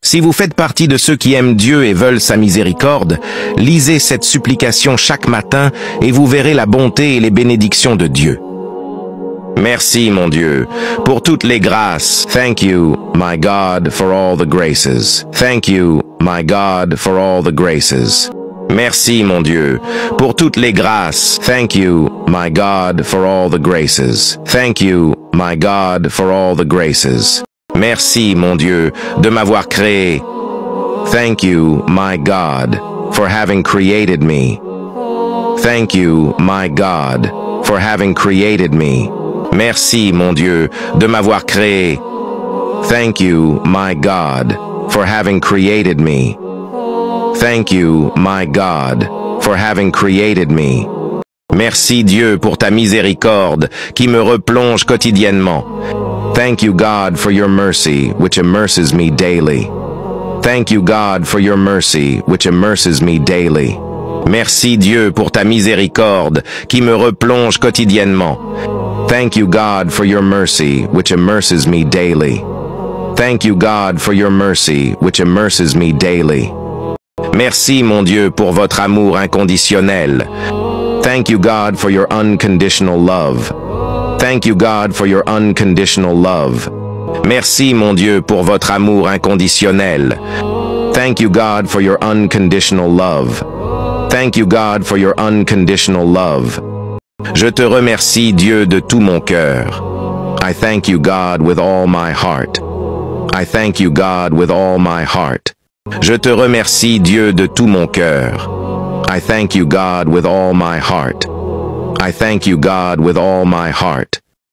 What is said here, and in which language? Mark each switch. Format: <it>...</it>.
<fr>Si vous faites partie de ceux qui aiment Dieu et veulent sa miséricorde, lisez cette supplication chaque matin et vous verrez la bonté et les bénédictions de Dieu. Merci, mon Dieu, pour toutes les grâces.</fr> <en>Thank you, my God, for all the graces. Thank you, my God, for all the graces.</en> <fr>Merci, mon Dieu, pour toutes les grâces.</fr> <en>Thank you, my God, for all the graces. Thank you, my God, for all the graces.</en> <fr>Merci, mon Dieu, de m'avoir créé.</fr> <en>Thank you, my God, for having created me. Thank you, my God, for having created me.</en> <fr>Merci, mon Dieu, de m'avoir créé.</fr> <en>Thank you, my God, for having created me. Thank you, my God, for having created me.</en> <fr>Merci, Dieu, pour ta miséricorde qui me replonge quotidiennement.</fr> <en>Thank you, God, for your mercy, which immerses me daily. Thank you, God, for your mercy, which immerses me daily.</en> <fr>Merci, Dieu, pour ta miséricorde qui me replonge quotidiennement.</fr> <en>Thank you, God, for your mercy, which immerses me daily. Thank you, God, for your mercy, which immerses me daily.</en> <fr>Merci, mon Dieu, pour votre amour inconditionnel.</fr> <en>Thank you, God, for your unconditional love. Thank you, God, for your unconditional love.</en> <fr>Merci, mon Dieu, pour votre amour inconditionnel.</fr> <en>Thank you, God, for your unconditional love. Thank you, God, for your unconditional love.</en> <fr>Je te remercie, Dieu, de tout mon cœur.</fr> <en>I thank you, God, with all my heart. I thank you, God, with all my heart.</en> <fr>Je te remercie, Dieu, de tout mon cœur.</fr> <en>I thank you, God, with all my heart. I thank you, God, with all my heart.</en>